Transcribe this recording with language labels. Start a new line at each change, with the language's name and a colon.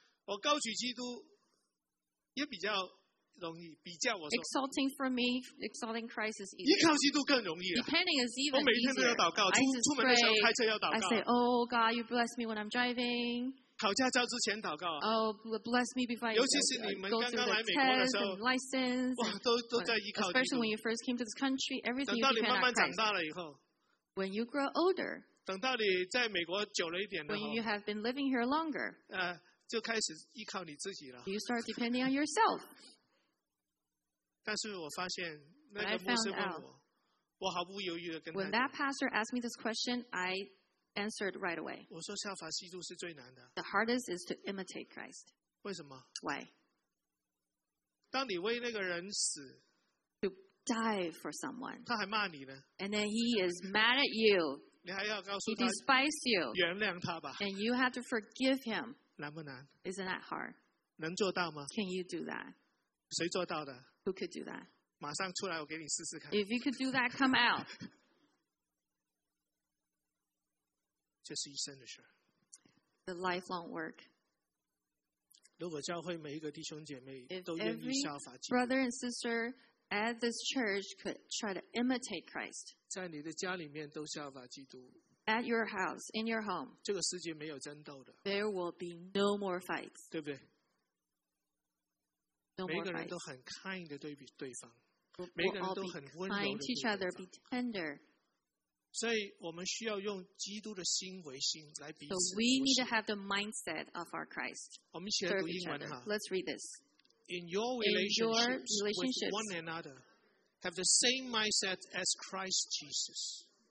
Chinese: 我高举基督也比较容易，比较我说。
English: Exalting for me, exalting Christ is easier.
Chinese: 依靠基督更容易啊。
English: Depending is even easier.
Chinese: 我每天都要祷告，出门的时候开车要祷告。
English: I say, "Oh God, you bless me when I'm driving."
Chinese: 考驾照之前祷告。
English: Oh, bless me before I go through test and license.
Chinese: 尤其是你们刚刚来美国的时候，哇，都在依靠基督。
English: Especially when you first came to this country, everything you depend on Christ.
Chinese: 等到你慢慢长大了以后。
English: When you grow older.
Chinese: 等到你在美国久了一点的
English: 时候。When you have been living here longer.
Chinese: 就开始依靠你自己了。
English: You start depending on yourself.
Chinese: 但是我发现那个牧师问我，我毫不犹豫的跟他讲。
English: When that pastor asked me this question, I answered right away.
Chinese: 我说效法基督是最难的。
English: The hardest is to imitate Christ.
Chinese: 为什么
English: ？Why?
Chinese: 当你为那个人死
English: ，to die for someone，
Chinese: 他还骂你呢。
English: And then he is mad at you.
Chinese: 你还要告诉他
English: ，he despises you，
Chinese: 原谅他吧。
English: And you have to forgive him.
Chinese: 难不难
English: ？Isn't that hard？
Chinese: 能做到吗
English: ？Can you do that？
Chinese: 谁做到的？
English: Who could do that?
Chinese: 马上出来，我给你试试看。
English: If you could do that, come out.
Chinese: 这是一生的事。
English: The lifelong work.
Chinese: 如果教会每一个弟兄姐妹都愿意效法基督
English: ，Every brother and sister at this church could try to imitate Christ.
Chinese: 在你的家里面都效法基督。
English: At your house, in your home.
Chinese: 这个世界没有争斗的。
English: There will be no more fights.
Chinese: 对不对？每个人都很 kind 的对比对方，每个人都很温柔的对方。
English: Be tender.
Chinese: 所以我们需要用基督的心为心来彼此。
English: So we need to have the mindset of our Christ.
Chinese: 我们一起来读英文哈。
English: Let's read this. In your relationships with one another, have the same mindset as Christ Jesus.